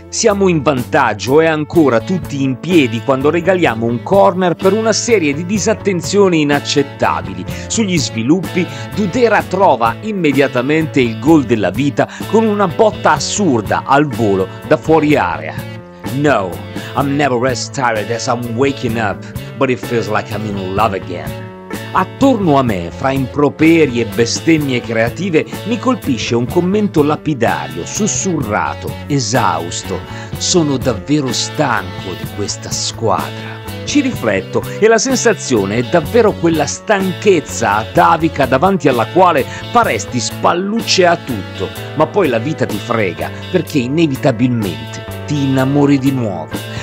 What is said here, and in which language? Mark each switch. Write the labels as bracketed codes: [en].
[it] Siamo in vantaggio e ancora tutti in piedi quando regaliamo un corner per una serie di disattenzioni inaccettabili. Sugli sviluppi, Dudera trova immediatamente il gol della vita con una botta assurda al volo da fuori area. [en] No, I'm never as tired as I'm waking up, but it feels like I'm in love again. [it] Attorno a me, fra improperi e bestemmie creative, mi colpisce un commento lapidario, sussurrato, esausto. Sono davvero stanco di questa squadra. Ci rifletto e la sensazione è davvero quella stanchezza atavica davanti alla quale paresti spallucce a tutto, ma poi la vita ti frega perché inevitabilmente ti innamori di nuovo.